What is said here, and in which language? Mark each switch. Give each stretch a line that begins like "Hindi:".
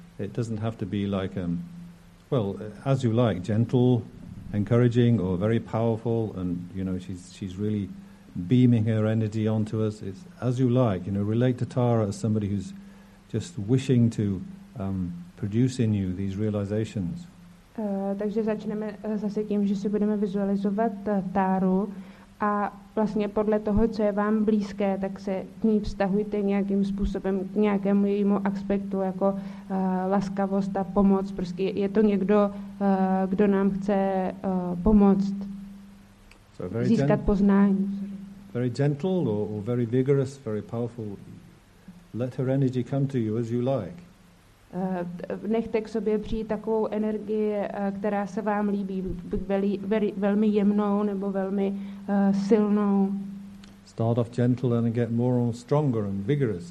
English: It doesn't have to be like as you like, gentle, encouraging, or very powerful, and you know she's really beaming her energy onto us. It's as you like, you know, relate to Tara as somebody who's just wishing to produce in you these realizations.
Czech: Takže začneme zase tím, že si budeme vizualizovat Táru a vlastně podle toho, co je vám blízké, tak se k ní vztahujte nějakým způsobem k nějakému jejímu aspektu, jako laskavost a pomoc. Prostě je to někdo, kdo nám chce pomoct získat poznání.
English: Very gentle or very vigorous, very powerful. Let her energy come to you as you like.
Czech: Nechte k sobě přijít takovou energii, která se vám líbí, velmi jemnou nebo velmi silnou.
English: Start off gentle and get more and stronger and vigorous.